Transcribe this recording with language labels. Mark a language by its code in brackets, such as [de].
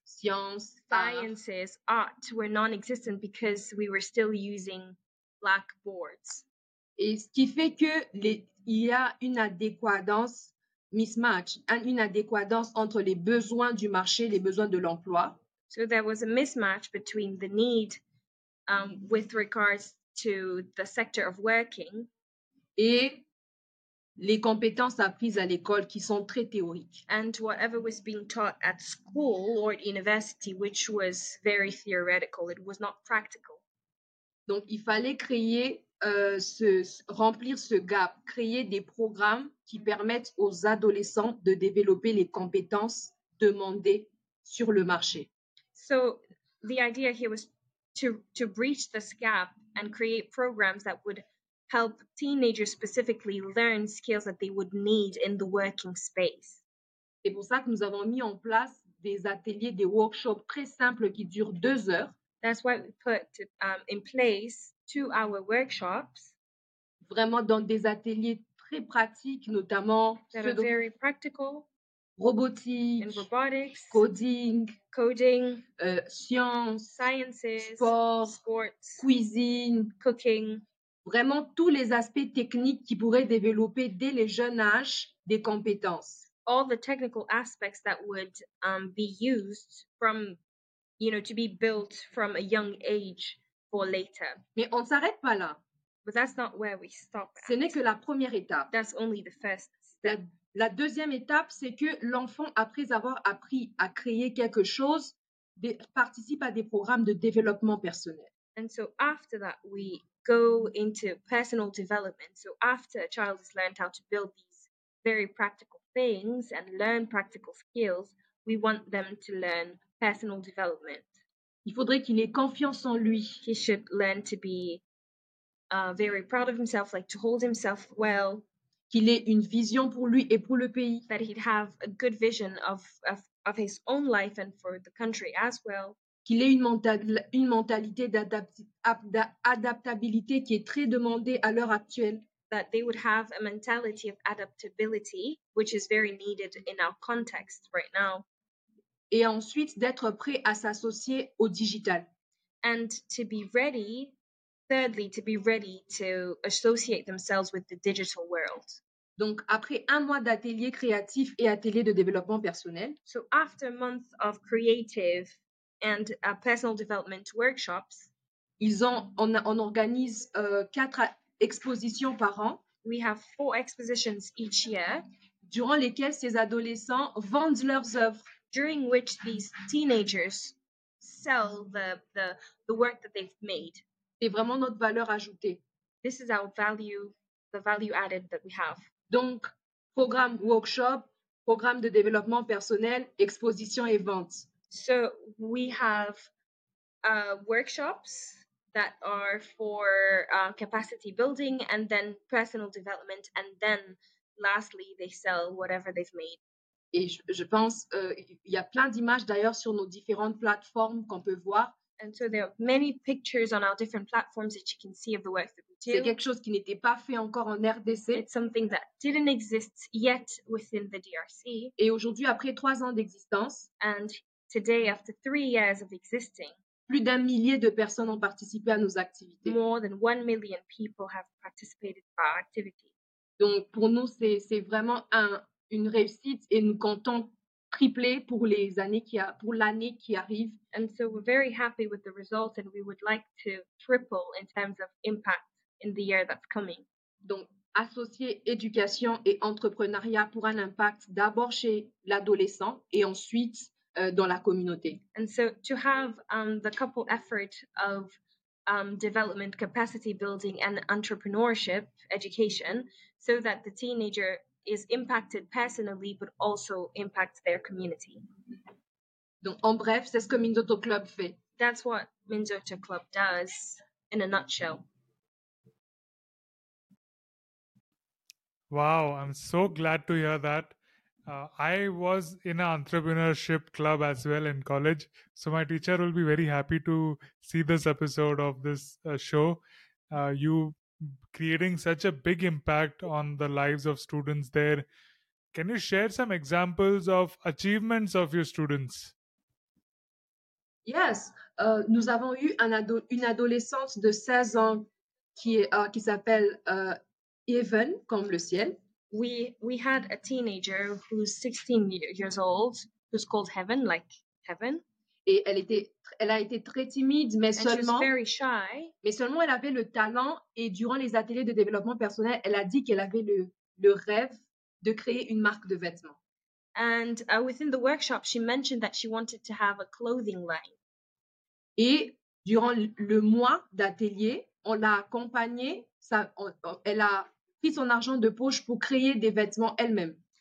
[en] science, sciences, art were non-existent because we were still using blackboards. [fr] Et ce qui fait que il y a une adéquadence, [en] mismatch, [fr] une adéquadence entre les besoins du marché, les besoins de l'emploi. [en] So there was a mismatch between the need with regards to the sector of working [fr] et les compétences apprises à l'école qui sont très théoriques. [en] And whatever was being taught at school or at university, which was very theoretical, it was not practical. [fr] Donc il fallait créer remplir ce gap, créer des programmes qui permettent aux adolescents de développer les compétences demandées sur le marché. [en] So the idea here was to breach this gap and create programs that would help teenagers specifically learn skills that they would need in the working space. [fr] C'est pour ça que nous avons mis en place des ateliers, des [en] workshops [fr] très simples qui durent 2 heures. [en] That's why we put in place 2-hour workshops. [fr] Vraiment dans des ateliers très pratiques, notamment [en] very practical. [fr] Robotique, [en] in robotics, coding, science, sciences, [fr] sports, cuisine, [en] cooking. [fr] Vraiment tous les aspects techniques qui pourraient développer dès les jeunes âges des compétences. [en] All the technical aspects that would be used from, you know, to be built from a young age for later. [fr] Mais on ne s'arrête pas là. [en] But that's not where we stop at. [fr] Ce n'est que la première étape. [en] That's only the first step. [fr] La deuxième étape, c'est que l'enfant, après avoir appris à créer quelque chose, participe à des programmes de développement personnel. [en] And so after that, we go into personal development. So after a child has learned how to build these very practical things and learn practical skills, we want them to learn personal development. [fr] Il faudrait qu'il ait confiance en lui. [en] He should learn to be very proud of himself, like to hold himself well. [fr] Qu'il ait une vision pour lui et pour le pays. [en] That he'd have a good vision of his own life and for the country as well. [fr] Qu'il ait une mentalité d'adaptabilité qui est très demandée à l'heure actuelle. [en] That they would have a mentality of adaptability, which is very needed in our context right now. [fr] Et ensuite, d'être prêt à s'associer au digital. [en] And to be ready, thirdly, to be ready to associate themselves with the digital world. [fr] Donc, après un mois d'atelier créatif et atelier de développement personnel. [en] So after a month of creative and personal development workshops, [fr] on organise 4 expositions par an. [en] We have 4 expositions each year, [fr] durant lesquelles ces adolescents vendent leurs œuvres. [en] During which these teenagers sell the work that they've made. [fr] C'est vraiment notre valeur ajoutée. [en] This is our value, the value added that we have. [fr] Donc, programme workshop, programme de développement personnel, exposition et vente. [en] So, we have workshops that are for capacity building and then personal development. And then, lastly, they sell whatever they've made. [fr] Et je pense, il y a plein d'images d'ailleurs sur nos différentes plateformes qu'on peut voir. [en] And so there are many pictures on our different platforms that you can see of the work that we do. [fr] C'est quelque chose qui n'était pas fait encore en RDC. [en] It's something that didn't exist yet within the DRC. [fr] Et aujourd'hui, après 3 ans d'existence, [en] and today, after 3 years of existing, [fr] plus d'un millier de personnes ont participé à nos activités. [en] More than 1 million people have participated in our activity. [fr] Donc, pour nous, c'est vraiment une réussite et nous comptons triplé pour l'année qui arrive. [en] And so we're very happy with the results and we would like to triple in terms of impact in the year that's coming. [fr] Donc, associer éducation et entrepreneuriat pour un impact d'abord chez l'adolescent et ensuite dans la communauté. [en] And so to have the couple effort of development capacity building and entrepreneurship education so that the teenager is impacted personally, but also impacts their community. [fr] Donc, en bref, c'est ce que Minzoto Club fait. [en] That's what Minzoto Club does in a nutshell. Wow, I'm so glad to hear that. I was in an entrepreneurship club as well in college. So my teacher will be very happy to see this episode of this show. You creating such a big impact on the lives of students there. Can you share some examples of achievements of your students? Yes, [fr] nous avons eu une adolescente de 16 ans qui s'appelle Even, comme le ciel. [en] We had a teenager who's 16 years old, who's called Heaven, like Heaven. [fr] Et elle a été très timide, mais seulement elle avait le talent. Et durant les ateliers de développement personnel, elle a dit qu'elle avait le rêve de créer une marque de vêtements. [en] And within the workshop, she mentioned that she wanted to have a clothing line. [fr] Et durant le mois d'atelier, on l'a accompagnée. Elle a pris son argent de poche pour créer des vêtements elle-même.